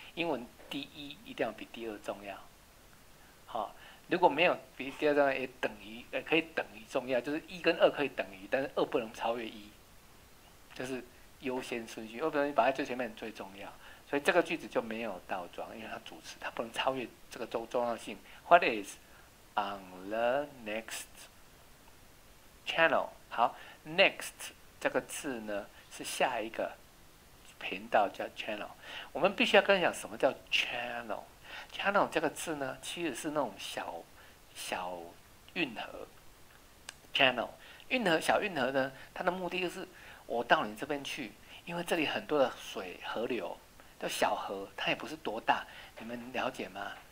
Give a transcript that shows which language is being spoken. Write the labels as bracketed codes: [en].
[zh] 英文第一一定要比第二重要，好、哦，如果没有比第二重要，也等于可以等于重要，就是一跟二可以等于，但是二不能超越一，就是优先顺序，要不然你摆在最前面最重要，所以这个句子就没有倒装，因为它主词它不能超越这个重要性。 [en] What is on the next channel？ [zh] 好 ，next 这个字呢？是下一个频道叫 channel， 我们必须要跟人讲什么叫 channel。 channel 这个字呢，其实是那种小运河 channel， 运河小运河呢，它的目的就是我到你这边去，因为这里很多的水河流，叫小河，它也不是多大，你们了解吗？